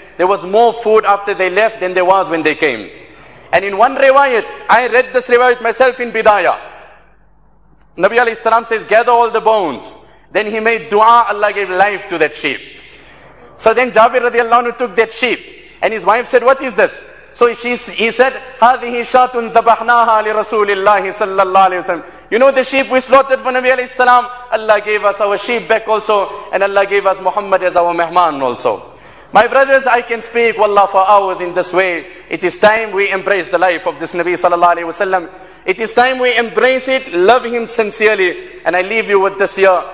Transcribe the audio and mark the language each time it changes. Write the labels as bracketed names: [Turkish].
[English] There was more food after they left than there was when they came. And in one riwayat, I read this riwayat myself in Bidayah. Nabi alayhi salam says, gather all the bones. Then he made dua, Allah gave life to that sheep. So then Jabir radiallahu anhu took that sheep. And his wife said, what is this? So he said, [Arabic] هَذِهِ شَاتٌ ذَبَحْنَاهَا لِرَسُولِ اللَّهِ صَلَّى اللَّهِ عَلَيْهِ وَسَلَّمَ. [English] You know the sheep we slaughtered for Nabi alayhi salam? Allah gave us our sheep back also. And Allah gave us Muhammad as our mehman also. My brothers, I can speak wallah for hours in this way. It is time we embrace the life of this Nabi sallallahu alayhi wa sallam. It is time we embrace it, love him sincerely. And I leave you with this here.